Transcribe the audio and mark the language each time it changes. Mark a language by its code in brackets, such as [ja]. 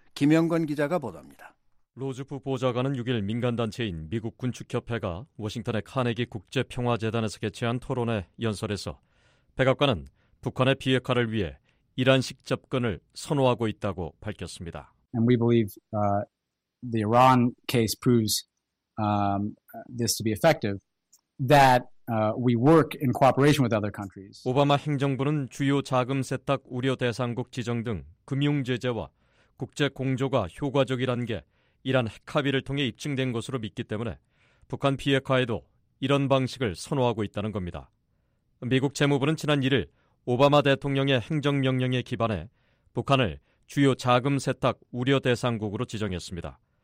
[ko] 김영건 기자가 보도합니다. 로즈 부 보좌관은 6일 민간단체인 미국군축협회가 워싱턴의 카네기 국제평화재단에서 개최한 토론회 연설에서 백악관은 북한의 비핵화를 위해 이란식 접근을 선호하고 있다고 밝혔습니다. [en] And we believe the Iran case proves this to be effective, that we work in cooperation with other countries. [ko] 오바마 행정부는 주요 자금 세탁 우려 대상국 지정 등 금융 제재와 국제 공조가 효과적이라는 게 이란 핵 합의를 통해 입증된 것으로 믿기 때문에 북한 비핵화에도 이런 방식을 선호하고 있다는 겁니다. 미국 재무부는 지난 1일 오바마 대통령의 행정명령에 기반해 북한을 주요 자금 세탁 우려 대상국으로 지정했습니다.